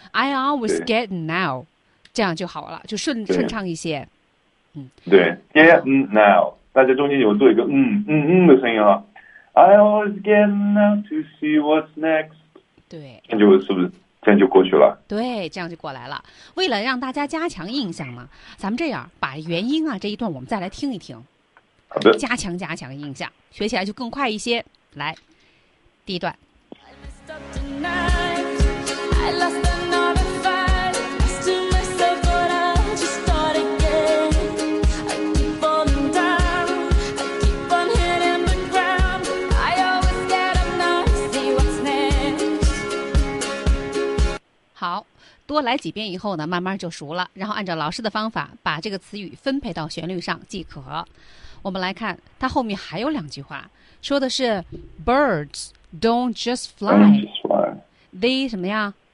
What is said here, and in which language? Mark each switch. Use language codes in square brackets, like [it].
[en] I always get now， [zh] 这样就好了，就顺畅一些。对 ，get now， 大家中间有做一个的声音啊。 [en] I always get now to see what's next。 [zh] 对，这样就是不是这样就过去了？对，这样就过来了。为了让大家加强印象嘛，咱们这样把原音啊这一段我们再来听一听，好的，加强印象，学起来就更快一些。来。第一段 [en] I messed up tonight, I lost another fight, still mess up, but I'll just start again. I keep on down, I keep on hitting the ground. I always get up now to see what's next. [zh] 好，多来几遍以后呢，慢慢就熟了，然后按照老师的方法把这个词语分配到旋律上即可。我们来看它后面还有两句话，说的是 [en] birds don't just fly， they [zh] 什么呀？